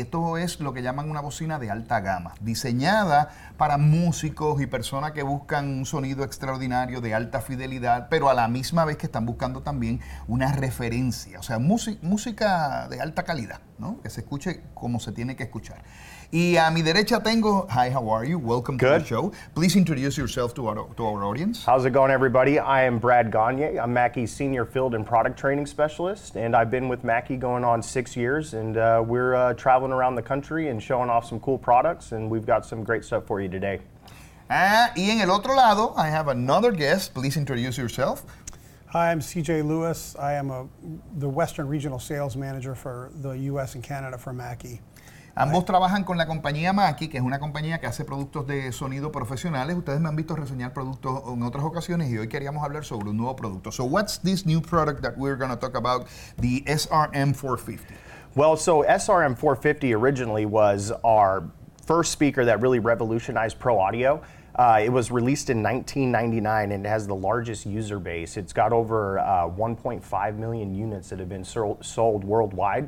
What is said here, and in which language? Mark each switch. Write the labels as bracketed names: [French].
[Spanish] Esto es lo que llaman una bocina de alta gama, diseñada para músicos y personas que buscan un sonido extraordinario de alta fidelidad, pero a la misma vez que están buscando también una referencia, o sea, música de alta calidad, ¿no? Que se escuche como se tiene que escuchar. Y a mi derecha tengo, [English] hi, how are you? Welcome Good. To the show. Please introduce yourself to our audience. How's it going, everybody? I am Brad Gagne. I'm Mackie's Senior Field and Product Training Specialist, and I've been with Mackie going on 6 years, and we're traveling around the country and showing off some cool products, and we've got some great stuff for you today. [Spanish] Y en el otro lado, [English] I have another guest. Please introduce yourself. Hi, I'm CJ Lewis. I am the Western Regional Sales Manager for the US and Canada for Mackie. [Spanish] Ambos trabajan con la compañía Mackie, que es una compañía que hace productos de sonido profesionales. Ustedes me han visto reseñar productos en otras ocasiones y hoy queríamos hablar sobre un nuevo producto. [English] So what's this new product that we're going to talk about, the SRM450? Well, so SRM450 originally was our first speaker that really revolutionized pro audio. It was released in 1999 and it has the largest user base. It's got over 1.5 million units that have been sold worldwide.